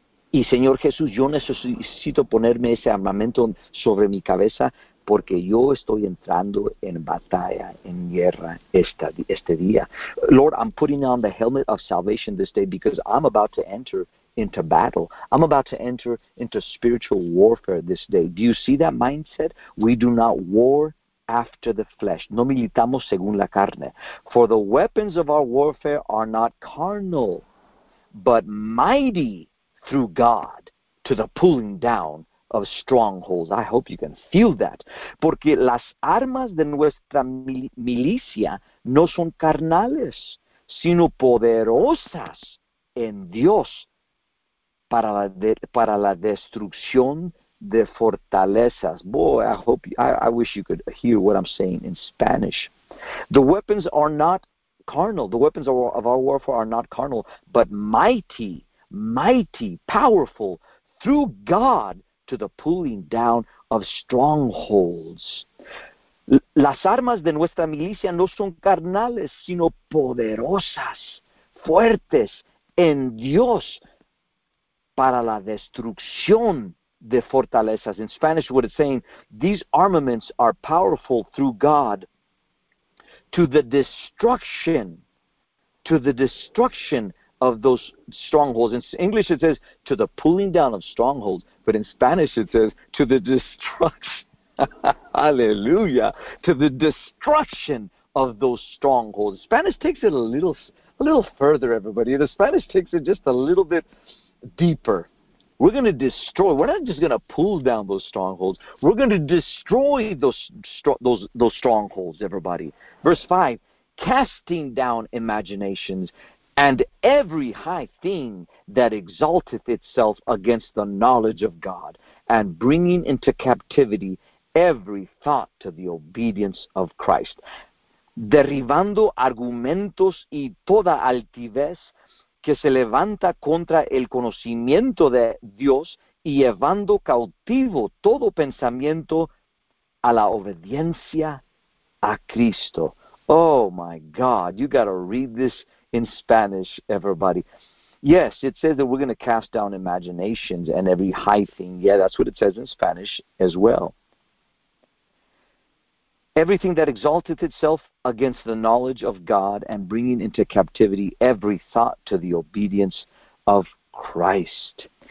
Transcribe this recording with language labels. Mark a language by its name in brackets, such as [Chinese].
[Spanish] Y Señor Jesús, yo necesito ponerme ese armamento sobre mi cabeza, porque yo estoy entrando en batalla, en guerra, este día. [English] Lord, I'm putting on the helmet of salvation this day because I'm about to enter into battle. I'm about to enter into spiritual warfare this day. Do you see that mindset? We do not war after the flesh. [Spanish] No militamos según la carne. [English] For the weapons of our warfare are not carnal, but mighty through God to the pulling down of strongholds. I hope you can feel that. [Spanish] Porque las armas de nuestra milicia no son carnales, sino poderosas en Dios para la destrucción de fortalezas. [English] Boy, I hope you, I wish you could hear what I'm saying in Spanish. The weapons are not carnal. The weapons of our warfare are not carnal, but mighty, mighty, powerful through God to the pulling down of strongholds. [Spanish] Las armas de nuestra milicia no son carnales, sino poderosas, fuertes en Dios para la destrucción de fortalezas. [English] In Spanish, what it's saying, these armaments are powerful through God to the destruction of those strongholds. In English, it says, to the pulling down of strongholds. But in Spanish, it says, to the destruction. Hallelujah. To the destruction of those strongholds. Spanish takes it a little further, everybody. The Spanish takes it just a little bit deeper. We're going to destroy. We're not just going to pull down those strongholds. We're going to destroy those strongholds, everybody. Verse 5, casting down imaginations and every high thing that exalteth itself against the knowledge of God, and bringing into captivity every thought to the obedience of Christ. [Spanish] Derribando argumentos y toda altivez que se levanta contra el conocimiento de Dios, y llevando cautivo todo pensamiento a la obediencia a Cristo. [English] Oh my God, you got to read this in Spanish, everybody. Yes, it says that we're going to cast down imaginations and every high thing. Yeah, that's what it says in Spanish as well. Everything that exalteth itself against the knowledge of God, and bringing into captivity every thought to the obedience of Christ.